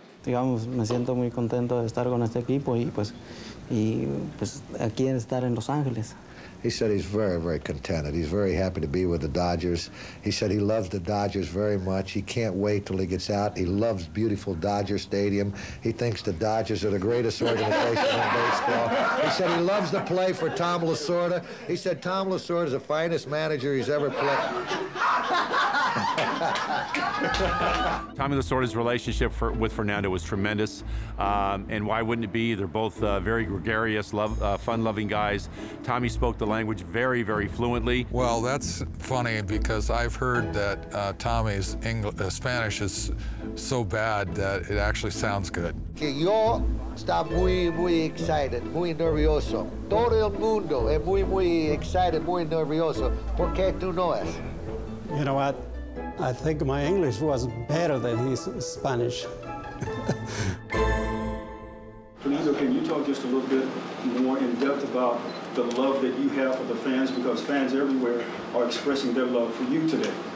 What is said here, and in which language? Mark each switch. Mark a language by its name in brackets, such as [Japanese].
[Spanish] Digamos, me siento muy contento de estar con este equipo y pues aquí estar en Los Ángeles. [English] He said he's very, very contented. He's very happy to be with the Dodgers. He said he loves the Dodgers very much. He can't wait till he gets out. He loves beautiful Dodger Stadium. He thinks the Dodgers are the greatest organization in baseball. He said he loves to play for Tom Lasorda. He said Tom Lasorda is the finest manager he's ever played. Tommy Lasorda's relationship with Fernando was tremendous. And why wouldn't it be? They're both very gregarious, fun-loving guys. Tommy spoke the language very, very fluently. Well, that's funny because I've heard that Tommy's Spanish is so bad that it actually sounds good. [Spanish] Yo está muy, muy excited, muy nervioso. Todo el mundo es muy, muy excited, muy nervioso. ¿Por qué tú no es? [English] You know what? I think my English was better than his Spanish. Fernando, can you talk just a little bit more in depth about the love that you have for the fans, because fans everywhere are expressing their love for you today?